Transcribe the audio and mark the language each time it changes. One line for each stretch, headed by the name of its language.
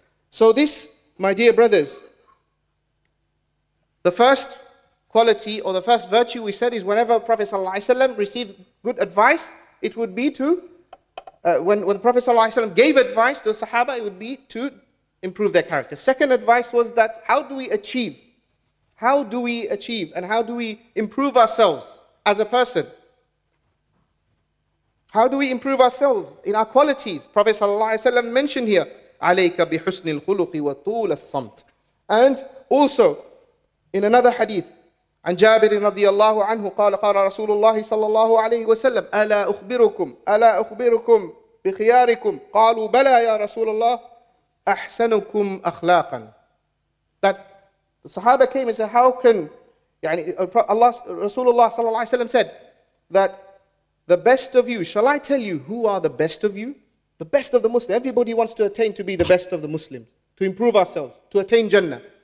English: So this, my dear brothers, the first quality or the first virtue we said is whenever Prophet sallallahu alayhi wasallam received good advice, it would be to, when Prophet sallallahu alayhi wasallam gave advice to the Sahaba, it would be to improve their character. Second advice was that how do we achieve? How do we achieve and how do we improve ourselves as a person? How do we improve ourselves in our qualities? Prophet sallallahu alaihi wasallam mentioned here,
Arabic: عَلَيْكَ بِحُسْنِ الْخُلُقِ وَطُولَ الصَّمْتِ. And also, in another hadith, عن جابر رضي الله عنه قال قال رسول الله صلى الله عليه وسلم ألا أخبركم بخياركم؟ قالوا بلى يا رسول الله أحسنكم أخلاقا.
English: That the Sahaba came and said, how can Rasulullah sallallahu alayhi wa sallam said that the best of you, shall I tell you who are the best of you? The best of the Muslims. Everybody wants to attain to be the best of the Muslims, to improve ourselves, to attain Jannah.